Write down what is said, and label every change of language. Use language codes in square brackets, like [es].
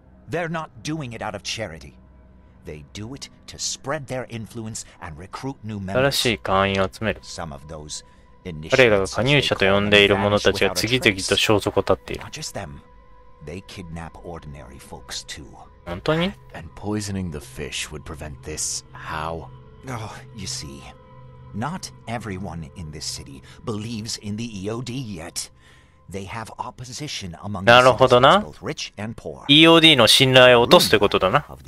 [en] They're not doing it out of charity. They do it to spread their influence and recruit new members. [ja] 新しい会員を集める。 [en] Some of those initiates. [ja] 彼らが加入者と呼んでいる者たちが次々と消息を絶っている。 [en] Not just them. They kidnap ordinary folks too. [ja] 本当に？ [en] And poisoning the fish would prevent this. How? Oh, you see, not everyone in this city believes in the EOD yet. They have opposition among [ja] なるほどな。 [en] Both rich and poor. [ja] EOD の信頼を落とすということだな。